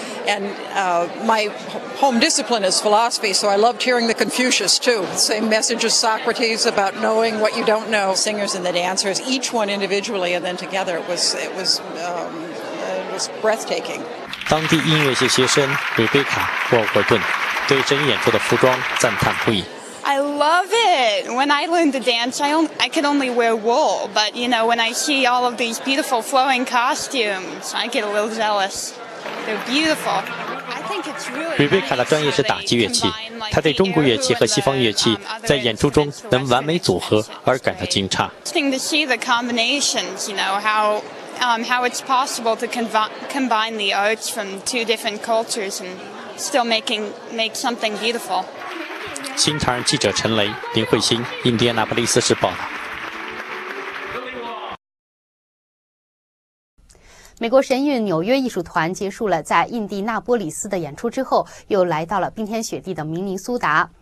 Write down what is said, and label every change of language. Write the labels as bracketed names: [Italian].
[English] And my home discipline is philosophy, so I loved hearing the Confucius too. Same message as Socrates about knowing what you don't know. Singers and the dancers, each one individually and then together, it was breathtaking. [Chinese] 当地音乐系学生瑞贝卡·沃尔顿对这一演出的服装赞叹不已。 [English] I love it. When I learned the dance, I could only wear wool. But you know, when I see all of these beautiful flowing costumes, I get a little jealous. They're beautiful. I think it's really nice. [Chinese] 瑞贝卡的专业是打击乐器，他对中国乐器和西方乐器在演出中能完美组合而感到惊诧。 [English] Interesting to see the combinations. You know how it's possible to combine the arts from two different cultures and still make something beautiful. [Chinese] 新唐人记者陈雷、林慧欣，印第安纳波利斯市报道。美国神韵纽约艺术团结束了在印第纳波利斯的演出之后，又来到了冰天雪地的明尼苏达。